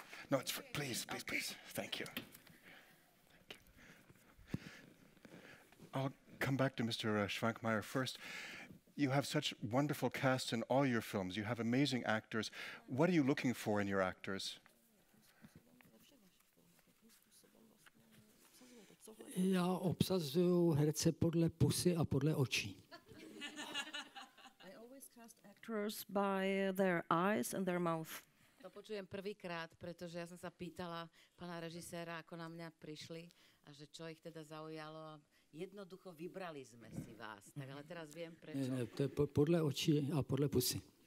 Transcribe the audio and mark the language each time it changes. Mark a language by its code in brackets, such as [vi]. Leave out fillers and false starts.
[en] No, it's for, please. Thank you. I'll come back to Mr. Švankmajer first. You have such wonderful cast in all your films. You have amazing actors. What are you looking for in your actors? [cs] Já obsazuju herce podle pusy a podle očí. [en] I always cast actors by their eyes and their mouth. [sk] To počujem prvýkrát, pretože ja som sa pýtala pana režiséra, ako na mňa prišli a že čo ich teda zaujalo. Jednoducho vybrali sme si vás, tak ale teraz viem prečo. Nie, to je podľa očí a podľa pusy.